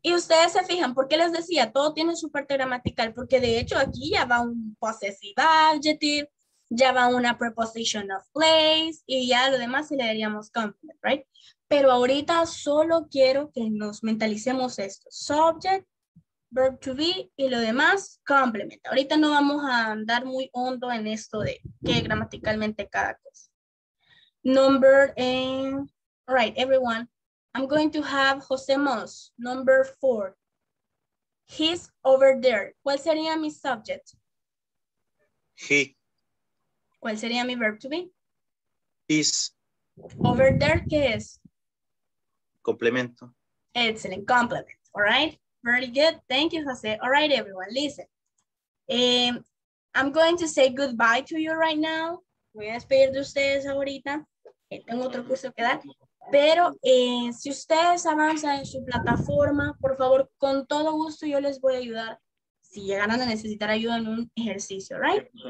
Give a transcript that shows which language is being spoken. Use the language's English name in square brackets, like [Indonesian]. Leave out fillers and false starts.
[Spanish] Y ustedes se fijan, ¿por qué les decía? Todo tiene su parte gramatical, porque de hecho aquí ya va un possessive adjective, ya va una preposition of place, y ya lo demás se le daríamos complement, right? Pero ahorita solo quiero que nos mentalicemos esto. Subject, verb to be, y lo demás, complement. Ahorita no vamos a andar muy hondo en esto de qué gramaticalmente cada cosa. [English] Number, all right, everyone. I'm going to have José Mos, number four. He's over there. [Spanish] ¿Cuál sería mi subject? [English] He. [Spanish] ¿Cuál sería mi verb to be? [English] Is. [Spanish] Over there, ¿qué es? Complemento. [English] Excellent, complement. All right, very good. Thank you, José. All right, everyone, listen. I'm going to say goodbye to you right now. [Spanish] Voy a despedir de ustedes ahorita. Tengo otro curso que dar. Pero si ustedes avanzan en su plataforma, por favor, con todo gusto yo les voy a ayudar si llegaran a necesitar ayuda en un ejercicio, right?